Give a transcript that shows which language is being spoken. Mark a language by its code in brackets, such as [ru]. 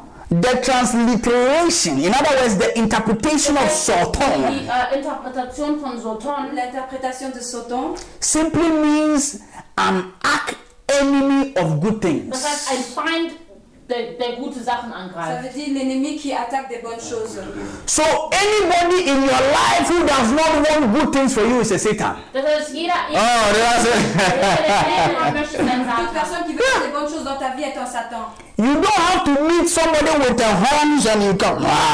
[en] the transliteration, in other words, the interpretation of Sauton, [fr] l'interpretation de Sauton, [en] simply means an arch enemy of good things. [de] Das heißt, ein Feind, der gute Sachen angreift. [fr] Ça veut dire l'ennemi qui attaque des bonnes choses. [en] So anybody in your life who does not want good things for you is a Satan. [de] Das heißt, jeder [en] oh, that's it. [fr] Toute personne qui veut des bonnes choses dans ta vie est un Satan. [en] You don't have to meet somebody with the horns and you come.